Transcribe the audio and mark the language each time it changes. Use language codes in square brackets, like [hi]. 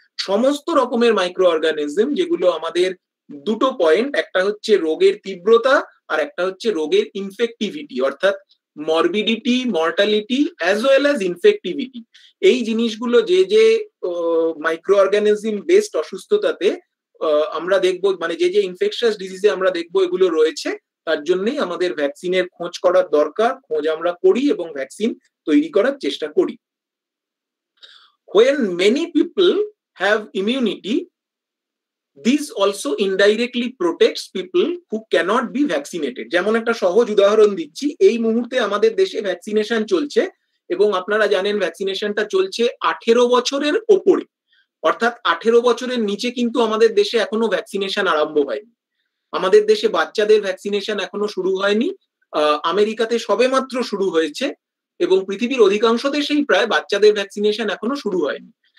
[bn] সমস্ত রকমের micro organism যেগুলো আমাদের দুটো পয়েন্ট, একটা হচ্ছে রোগের তীব্রতা আর একটা হচ্ছে রোগের ইনফেক্টিভিটি অর্থাৎ morbidity, mortality as well as infectivity, এই জিনিসগুলো যে যে মাইক্রো অর্গানিজম বেসড অসুস্থতাতে আমরা দেখবো মানে যে যে ইনফেকশাস ডিজিজে আমরা দেখবো এগুলো রয়েছে, তার জন্যই আমাদের ভ্যাকসিনের খোঁজ করার দরকার, খোঁজ আমরা করি এবং ভ্যাকসিন তৈরি করার চেষ্টা করি। [en] When many people have immunity, this also indirectly protects people who cannot be vaccinated. [bn] যেমন একটা সহজ উদাহরণ দিচ্ছি, এই মুহূর্তে আমাদের দেশে ভ্যাকসিনেশন চলছে এবং আপনারা জানেন ভ্যাকসিনেশনটা চলছে 18 বছরের ওপরে, অর্থাৎ 18 বছরের নিচে কিন্তু আমাদের দেশে এখনো ভ্যাকসিনেশন আরম্ভ হয়নি, আমাদের দেশে বাচ্চাদের ভ্যাকসিনেশন এখনো শুরু হয়নি, আমেরিকাতে সবেমাত্র শুরু হয়েছে এবং পৃথিবীর অধিকাংশ দেশেই প্রায় বাচ্চাদের ভ্যাকসিনেশন এখনো শুরু হয়নি।